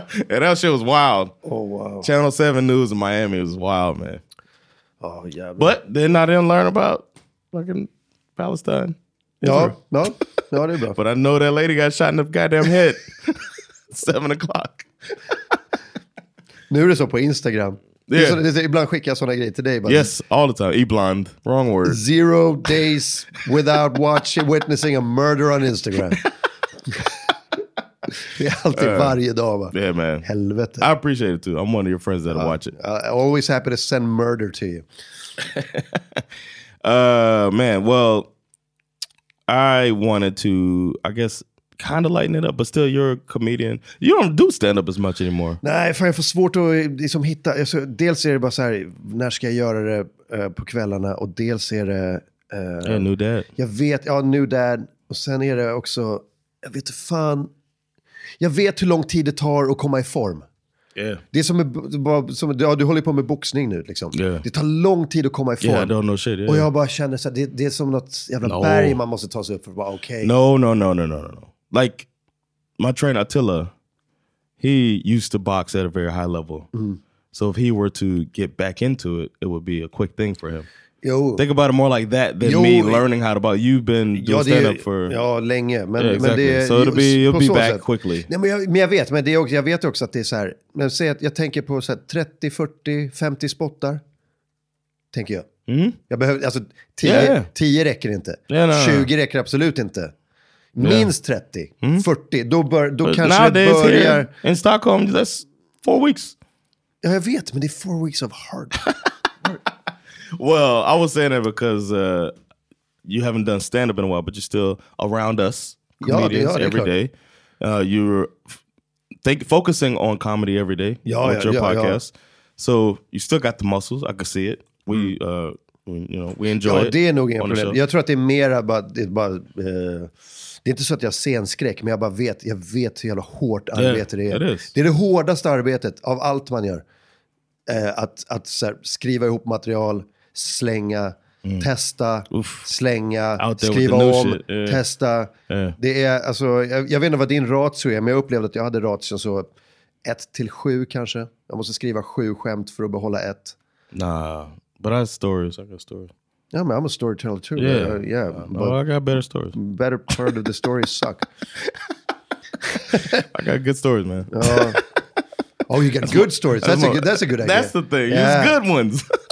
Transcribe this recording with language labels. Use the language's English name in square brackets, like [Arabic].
[English] Yeah, that shit was wild. Oh, wow. Channel 7 News in Miami was wild, man. Oh, yeah. Man. But then I didn't learn about fucking Palestine. No, I didn't, bro. But I know that lady got shot in the goddamn head. 7 o'clock. [Swedish] Nu är det så på Instagram. Ibland skickar jag såna grejer till dig. [English] Yes, all the time. Ibland. Wrong word. 0 days without witnessing a murder on Instagram. [Swedish] Det är alltid varje dag, va? [English] Yeah, man. [Swedish] Helvete. [English] I appreciate it too. I'm one of your friends that'll watch it. Always happy to send murder to you. Man, well, I wanted to, I guess, kind of lighten it up, but still you're a comedian. You don't do stand up as much anymore. [Swedish] Nej, för jag får svårt att liksom hitta, alltså, dels är det bara så här, när ska jag göra det på kvällarna, och dels är det [English] new dad. [Swedish] Jag vet, ja, [English] new dad, [Swedish] och sen är det också, jag vet fan, jag vet hur lång tid det tar att komma i form. [English] Yeah. [Swedish] Det är som, ja, du håller på med boxning nu liksom. [English] Yeah. [Swedish] Det tar lång tid att komma i form. [English] Yeah, I don't know shit, yeah. [Swedish] Och jag bara känner så här, det är som något jävla berg man måste ta sig upp för att bara okej. [English] Okay. No. Like my trainer Attila, he used to box at a very high level. Mm. So if he were to get back into it, it would be a quick thing for him. [Swedish] Jo. [English] Think about it more like that than me learning how to box. You've been doing stand up for [Swedish] länge, men [English] yeah, exactly. [Swedish] Men det, [English] so it'll be, you'll be back quickly. [Swedish] Nej, men jag vet också att det är så här, men säg att jag tänker på så här 30, 40, 50 spottar tänker jag. Mm. Jag behöver alltså 10 räcker inte. [English] Yeah, no. [Swedish] 20 räcker absolut inte. Minst 30, 40, då kanske jag börjar. [English] In Stockholm, that's 4 weeks. [Swedish] Ja, jag vet, men det är [English] 4 weeks of hard work. Well, I was saying that because you haven't done stand-up in a while, but you're still around us, comedians, every day. You're focusing on comedy every day with your podcast. [Swedish] Ja. [English] So you still got the muscles, I can see it. We, you know, we enjoy it. [Swedish] Ja, det är nog inget problem. Jag tror att det är mer bara... Det är inte så att jag ser en skräck, men jag bara vet, jag vet hur jävla hårt arbete det är. Det är det hårdaste arbetet av allt man gör. Att så här, skriva ihop material, slänga, testa, slänga, skriva om, testa. Det är, alltså, jag vet inte vad din ratio är, men jag upplevde att jag hade ratio så 1-7 kanske. Jag måste skriva 7 skämt för att behålla 1. [English] Nah, but I have stories, I got stories. Yeah, man, I'm a storyteller too. Yeah, but I got better stories. Better part of the stories suck. I got good stories, man. Oh, you got good stories. That's a good idea. That's the thing. Yeah. It's good ones.